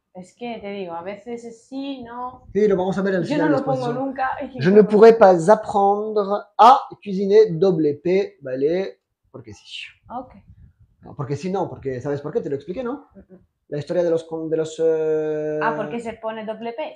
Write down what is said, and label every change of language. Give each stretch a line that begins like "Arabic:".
Spanish: Es que te digo, a veces es sí, no... Sí, lo vamos a ver al final. Yo no lo pongo nunca.
French: Je ne pourrais pas apprendre à cuisiner.
Spanish: Double P, vale, porque sí. Ok. Porque si no, porque ¿sabes por qué? Te lo expliqué, ¿no? La historia de los... De los Ah, porque se pone doble P.